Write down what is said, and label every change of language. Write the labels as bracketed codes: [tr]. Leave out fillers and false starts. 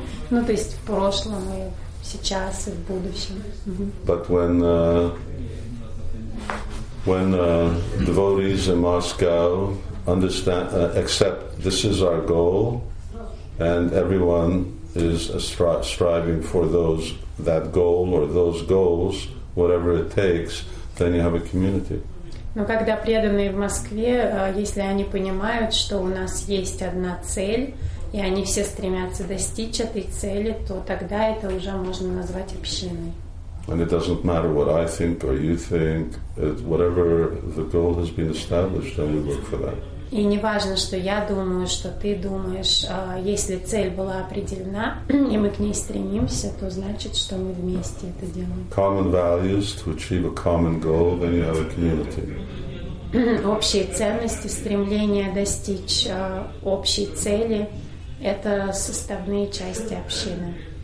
[ru] Ну, то есть в прошлом и сейчас и в будущем. [en] But when devotees in Moscow understand, accept this is our goal, and everyone is striving for those that goal or those goals, whatever it takes, then you have a community. [ru] Но когда преданные в Москве, если они понимают, что у нас есть одна цель, и они все стремятся достичь этой цели, то тогда это уже можно назвать общиной. [en] And it doesn't matter what I think or you think, whatever the goal has been established, then we work for that. [ru] И не важно, что я думаю, что ты думаешь, если цель была определена, и мы к ней стремимся, то значит, что мы вместе это делаем. [en] Common values to achieve a common goal, then you have a community. [ru] Общие ценности, стремление достичь общей цели — это составные части общины.